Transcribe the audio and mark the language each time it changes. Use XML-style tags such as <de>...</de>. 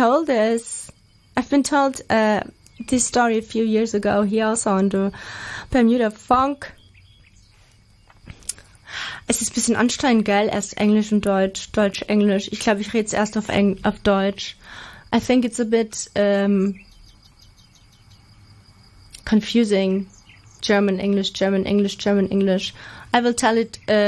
<en>I've been told this story a few years ago. He also on the Bermuda Funk.</en> <de>Es ist ein bisschen anstrengend, gell? Erst Englisch und Deutsch, Deutsch, Englisch. Ich glaube, ich rede es erst auf Deutsch.</de> <en>I think it's a bit confusing. German, English, German, English, German, English. I will tell it</en>